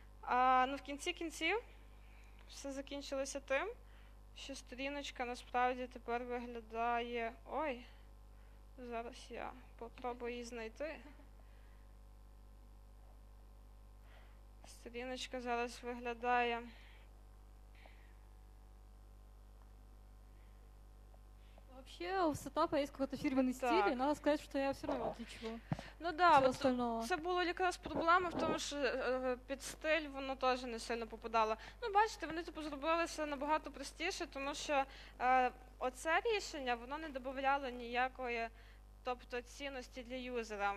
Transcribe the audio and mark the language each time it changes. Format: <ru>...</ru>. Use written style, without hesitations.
<uk>А, ну, в кінці кінців все закінчилося тим, що сторіночка насправді тепер виглядає... Ой, зараз я попробую її знайти. Сторіночка зараз виглядає...</uk> <ru>Вообще, у сетапа есть какой-то фирменный так стиль, и надо сказать, что я все равно отличу.</ru> <uk>Ну да, вот це було якраз проблема в тому, що під стиль воно теж не сильно попадало. Ну, бачите, вони типу зробилися набагато простіше, тому що оце рішення, воно не додавало ніякої, тобто, цінності для юзера.</uk>